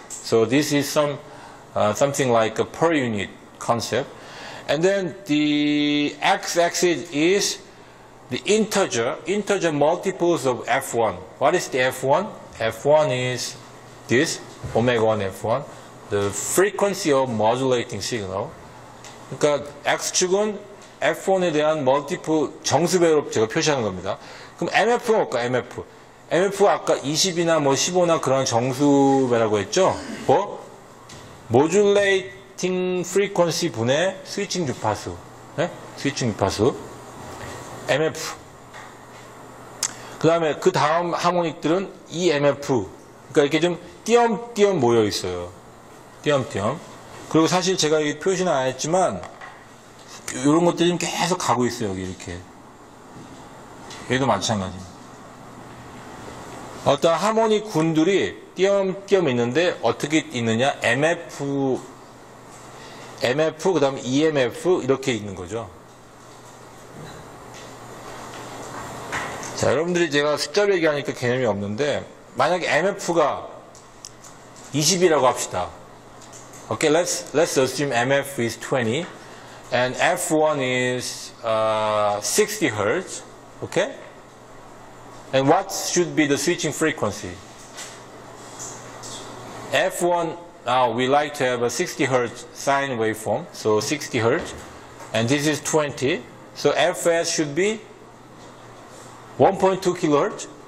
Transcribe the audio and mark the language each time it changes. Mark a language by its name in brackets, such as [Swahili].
[English] So this is something like a per unit concept. And then the x-axis is the integer multiples of F1. What is the F1? F1 is this, omega 1 F1, the frequency of modulating signal. [Korean] 그러니까 X축은 F1에 대한 멀티플 정수배로 제가 표시하는 겁니다. 그럼 MF는 뭘까? MF 아까 20이나 뭐 15나 그런 정수배라고 했죠? 뭐? Modulating frequency 분의 스위칭 주파수. 네? 스위칭 주파수. MF. 그 다음에 그 다음 하모닉들은 EMF. 그러니까 이렇게 좀 띄엄띄엄 모여 있어요. 띄엄띄엄. 그리고 사실 제가 이 표시는 안 했지만 이런 것들이 좀 계속 가고 있어요. 여기 이렇게. 얘도 마찬가지. 어떤 하모닉 군들이 띄엄띄엄 있는데 어떻게 있느냐? MF, MF 그다음 EMF 이렇게 있는 거죠. 자, 여러분들이 제가 숫자로 얘기하니까 개념이 없는데 만약에 MF가 20이라고 합시다. [English] Okay, let's assume MF is 20 and F1 is 60 Hz. Okay? And what should be the switching frequency? F1, now we like to have a 60 Hz sine waveform, so 60 Hz, and this is 20, so FS should be 1.2 kHz.